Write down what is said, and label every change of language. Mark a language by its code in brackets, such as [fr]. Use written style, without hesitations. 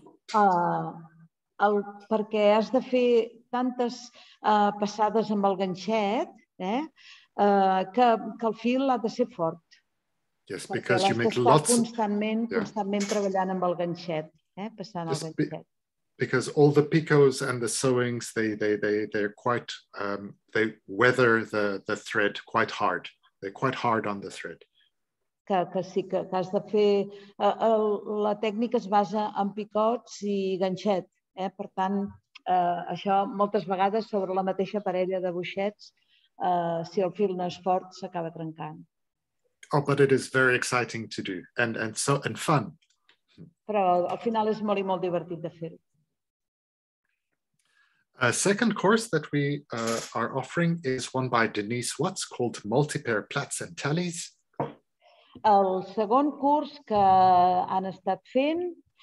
[ca] Perquè has de fer tantes passades amb el ganxet, que el fil ha de ser fort. [en] Yes, because you make lots [ca] constantment treballant amb el ganxet, passant el ganxet. [en] Because all the picots and the sewings, they're quite they weather the thread quite hard. They're quite hard on the thread. [ca] Que sí, que has de fer la tècnica es basa en picots i ganxet. Per tant, això moltes vegades sobre la mateixa parella de boixets, si el fil no és fort, s'acaba trencant. [en] Oh, but it is very exciting to do and fun. [ca] Però al final és molt i molt divertit de fer-ho. [en] A second course that we are offering is one by Denise Watts called Multipair Plaits and Tallies. [ca] El segon curs que han estat fent